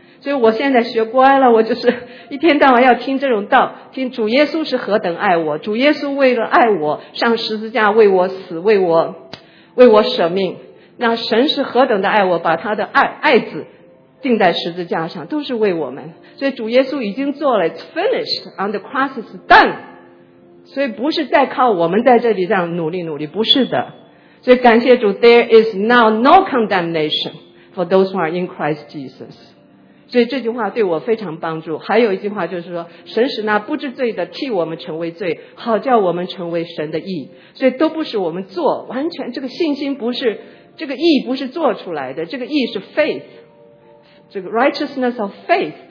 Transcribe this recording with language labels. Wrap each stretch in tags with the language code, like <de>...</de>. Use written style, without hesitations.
<zh>所以我现在学乖了，我就是一天到晚要听这种道，听主耶稣是何等爱我，主耶稣为了爱我上十字架，为我死，为我舍命，那神是何等的爱我，把他的爱子钉在十字架上，都是为我们。所以主耶稣已经做了</zh> <en>It's finished on the cross is done。</en> <zh>所以不是再靠我们在这里这样努力努力，不是的。所以感谢主，</zh> <en>There is now no condemnation for those who are in Christ Jesus。</en> <zh>所以这句话对我非常帮助。还有一句话就是说，神使那不知罪的替我们成为罪，好叫我们成为神的义。所以都不是我们做，完全这个信心不是，这个义不是做出来的，这个义是 faith， 这个</zh> <en>righteousness of faith。</en>